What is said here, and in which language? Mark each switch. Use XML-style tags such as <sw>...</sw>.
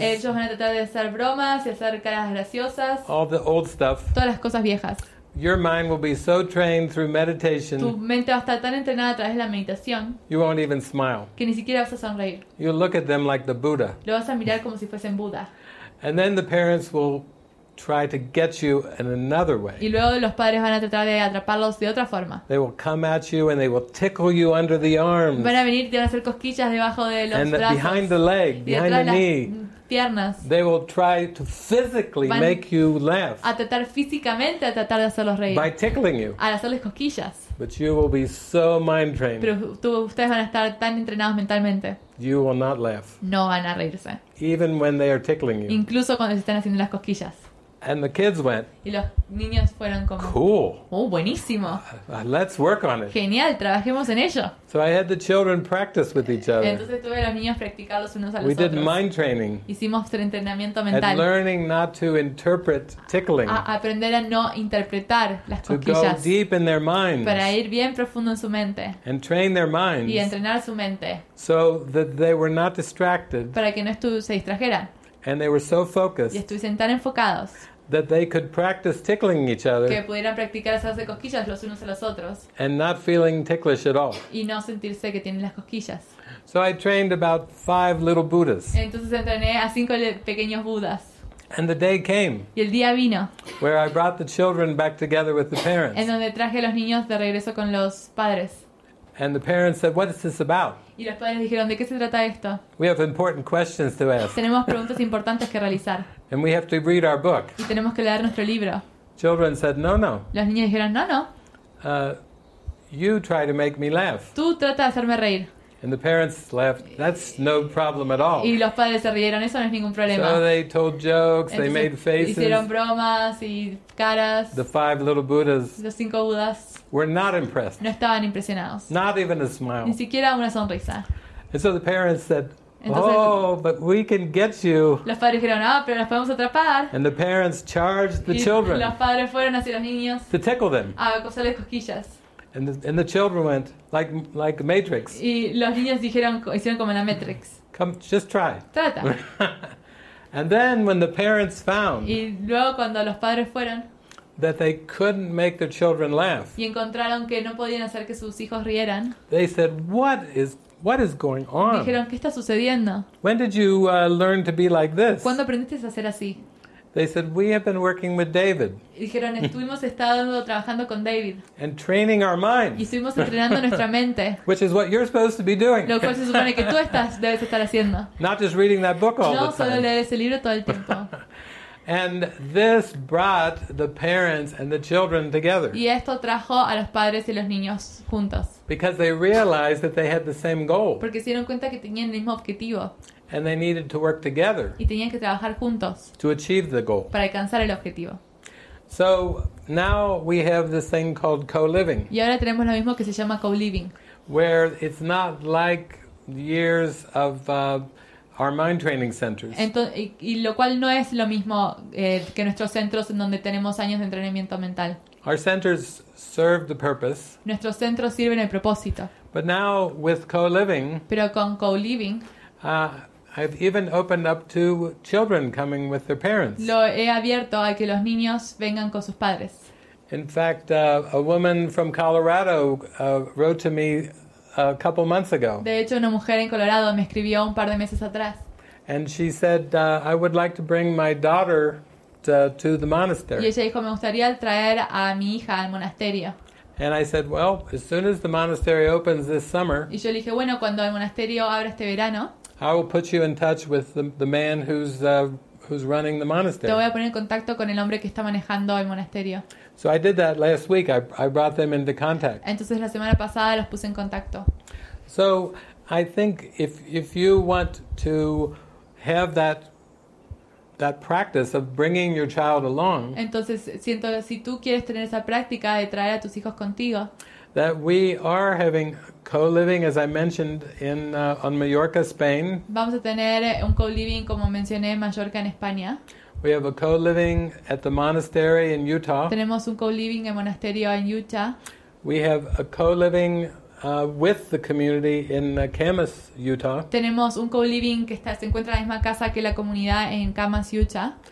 <es>Ellos van a tratar de hacer bromas y hacer caras graciosas.</es> <en>All the old stuff.</en> <es>Todas las cosas viejas.</es> <en>Your mind will be so trained through meditation.</en> <es>Tu mente va a estar tan entrenada a través de la meditación.</es> <en>You won't even smile.</en> <es>Que ni siquiera vas a sonreír.</es> <en>You'll look at them like the Buddha.</en> <es>Lo vas a mirar como si fuesen Buda.</es> <en>And then the parents will try to get you in another way.</en> <es>Y luego los padres van a tratar de atraparlos de otra forma.</es> <en>They will come at you and they will tickle you under the arms.</en> <es>Van a venir y te van a hacer cosquillas debajo de los</es> <en>and</en> <es>brazos.</es> <en>And behind the leg, behind the knee.</en> <es>Piernas.</es> <en>They will try to physically</en> <es>van</es> <en>make you laugh.</en> <es>A tratar físicamente a tratar de hacerlos reír.</es> <en>By tickling you.</en> <es>Al hacerles cosquillas.</es> <en>But you will be so mind trained.</en> <es>Pero ustedes van a estar tan entrenados mentalmente.</es> <en>You will not laugh.</en> <es>No van a reírse.</es> <en>Even when they are tickling you.</en> <es>Incluso cuando les están haciendo las cosquillas.</es> <en>And the kids went.</en> <es>Y los niños fueron como,</es> <en>cool.</en> <es>Oh, buenísimo.</es> <en>Let's work on it.</en> <es>Genial, trabajemos en ello.</es> <en>So I had the children practice with each other.</en> <es>Entonces tuve a los niños practicarlos unos a los otros.</es> <en>We did mind training.</en> <es>Hicimos entrenamiento mental.</es> <en>And learning not to interpret tickling.</en> <es>A aprender a no interpretar las cosquillas.</es> <en>To go deep in their minds.</en> <es>Para ir bien profundo en su mente.</es> <en>And train their minds.</en> <es>Y entrenar su mente.</es> <en>So that they were not distracted.</en> <es>Para que no se distrajeran.</es> <en>And they were so focused.</en> <es>Y estuviesen tan enfocados.</es> <en>That they could practice tickling each other.</en> <es>Que pudieran practicar hacerse cosquillas los unos a los otros.</es> <en>And not feeling ticklish at all.</en> <es>Y no sentirse que tienen las cosquillas.</es> <en>So I trained about five little Buddhas.</en> <es>Entonces entrené a cinco pequeños Budas.</es> <en>And the day came.</en> <es>Y el día vino.</es> <en>Where I brought the children back together with the parents.</en> <es>En donde traje a los niños de regreso con los padres.</es> <en>And the parents said, "What is this about?"</en> <es>Y los padres dijeron, ¿de qué se trata esto?</es> <en>We have important questions to ask.</en> <es>Tenemos preguntas importantes que realizar.</es> <en>And we have to read our book.</en> <es>Y tenemos que leer nuestro libro.</es> <en>Children said, "No, no."</en> <es>Los niños dijeron, "No, no."</es> <en>You try to make me laugh.</en> <es>Tú trata de hacerme reír.</es> <en>And the parents laughed. That's no problem at all.</en> <es>Y los padres se rieron. Eso no es ningún problema.</es> <en>So they told jokes.</en> <es>Entonces,</es> <en>they made faces.</en> <es>Hicieron bromas y caras.</es> <en>The five little Buddhas.</en> <es>Los cinco Budas.</es> <en>Were not impressed.</en> <es>No estaban impresionados.</es> <en>Not even a smile.</en> <es>Ni siquiera una sonrisa.</es> <en>And so the parents said, "Oh, but we can get you."</en> <es>Los padres dijeron, "Ah, pero los podemos atrapar."</es> <en>And the parents charged the</en> <es>y</es> <en>children.</en> <es>Los padres fueron hacia los niños.</es> <en>To tickle them.</en> <es>A coserles cosquillas.</es> <en>And the children went like Matrix.</en> <es>Y los niños dijeron, hicieron como la Matrix.</es> <en>Come, just try.</en> <es>Trata.</es> <en>And then when the parents found.</en> <es>Y luego cuando los padres fueron.</es> <en>That they couldn't make their children laugh.</en> <es>Y encontraron que no podían hacer que sus hijos rieran.</es> <en>They said, "What is going on?"</en> <es>Dijeron, ¿qué está sucediendo?</es> <en>When did you learn to be like this?</en> <es>¿Cuándo aprendiste a ser así?</es> <en>They said, "We have been working with David."</en> <es>Dijeron, estuvimos estando trabajando con David.</es> <en>And training our minds.</en> <es>Y estuvimos entrenando nuestra mente.</es> <en>Which is what you're supposed to be doing.</en> <es>Lo cual se supone que tú estás debes estar haciendo.</es> <en>Not just reading that book all the time.</en> <es>No solo leer ese libro todo el tiempo.</es> <en>And this brought the parents and the children together.</en> <es>Y esto trajo a los padres y los niños juntos.</es> <en>Because they realized that they had the same goal.</en> <es>Porque se dieron cuenta que tenían el mismo objetivo.</es> <en>And they needed to work together.</en> <es>Y tenían que trabajar juntos.</es> <en>To achieve the goal.</en> <es>Para alcanzar el objetivo.</es> <en>So now we have this thing called co-living.</en> <es>Y ahora tenemos lo mismo que se llama co-living.</es> <en>Where it's not like years of our mind training centers.</en> <es>Entonces, y lo cual no es lo mismo que nuestros centros en donde tenemos años de entrenamiento mental.</es> <en>Our centers serve the purpose.</en> <es>Nuestros centros sirven el propósito.</es> <en>But now with co-living.</en> <es>Pero con co-living.</es> <en>I've even opened up to children coming with their parents.</en> <es>Lo he abierto a que los niños vengan con sus padres.</es> <en>In fact, a woman from Colorado wrote to me a couple months ago.</en> <es>De hecho, una mujer en Colorado me escribió un par de meses atrás.</es> <en>And she said, "I would like to bring my daughter to the monastery."</en> <es>Y ella dijo, "Me gustaría traer a mi hija al monasterio."</es> <en>And I said, "Well, as soon as the monastery opens this summer."</en> <es>Y yo le dije, "Bueno, cuando el monasterio abra este verano."</es> <en>I will put you in touch with the man who's running the monastery.</en> <es>Te voy a poner en contacto con el hombre que está manejando el monasterio.</es> <en>So I did that last week. I brought them into contact.</en> <es>Entonces la semana pasada los puse en contacto.</es> <en>So I think if you want to have that practice of bringing your child along.</en> <es>Entonces siento si tú quieres tener esa práctica de traer a tus hijos contigo.</es> <en>That we are having co-living, as I mentioned, in on Mallorca, Spain.</en> <es>Vamos a tener un co-living, como mencioné, en Mallorca, en España.</es> <en>We have a co-living at the monastery in Utah.</en> <es>Tenemos un co-living en monasterio en Utah.</es> <en>We have a co-living with the community in Camas, Utah.</en> <es>Tenemos un co-living que se encuentra en la misma casa que la comunidad en Camas, Utah.</es>